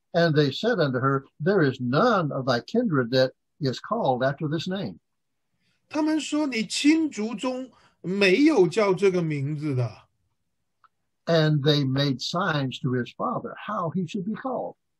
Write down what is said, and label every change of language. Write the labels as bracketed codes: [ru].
[en] And they said unto her, There is none of thy kindred that is called after this name. [zh] 他们说你亲族中没有叫这个名字的。 [en] And they made signs to his father how he should be called.